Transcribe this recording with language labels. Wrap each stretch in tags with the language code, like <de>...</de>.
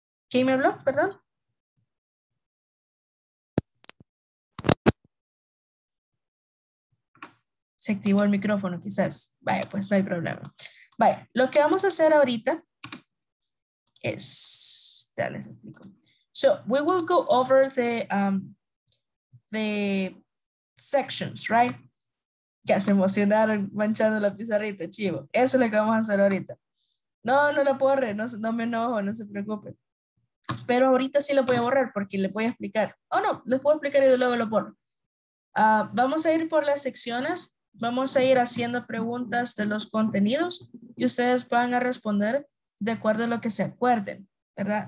<es>¿Quién me habló? Perdón. Se activó el micrófono, quizás. Vaya, pues no hay problema. Vaya, lo que vamos a hacer ahorita es... Ya les explico.</es> <en>So, we will go over the sections, right?</en> <es>Ya se emocionaron manchando la pizarrita, chivo. Eso es lo que vamos a hacer ahorita. No la borre, no me enojo, no se preocupen. Pero ahorita sí lo voy a borrar porque le voy a explicar. No, les puedo explicar y luego lo borro. Vamos a ir por las secciones. Vamos a ir haciendo preguntas de los contenidos y ustedes van a responder de acuerdo a lo que se acuerden, ¿verdad?</es>